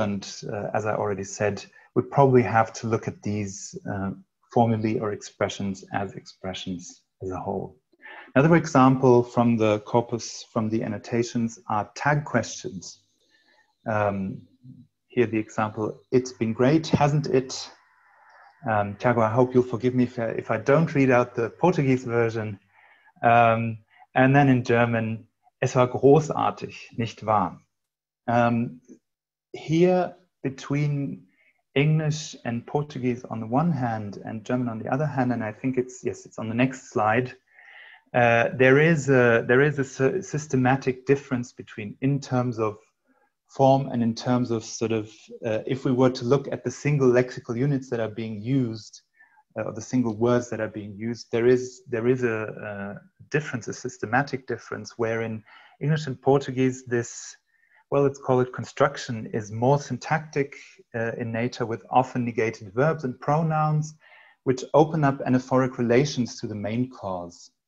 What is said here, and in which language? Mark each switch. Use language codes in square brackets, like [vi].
[en] And as I already said, we probably have to look at these formulae or expressions as a whole. Another example from the corpus, from the annotations, are tag questions. Here the example, it's been great, hasn't it? Tiago, I hope you'll forgive me if I don't read out the Portuguese version. And then in German, [de] es war großartig, nicht wahr? [en] Here between English and Portuguese on the one hand and German on the other hand, and I think it's, yes, it's on the next slide, there is a systematic difference between in terms of form and in terms of sort of, if we were to look at the single lexical units that are being used, or the single words that are being used, there is a difference, a systematic difference, where in English and Portuguese, this, well, let's call it construction, is more syntactic in nature with often negated verbs and pronouns, which open up anaphoric relations to the main clause.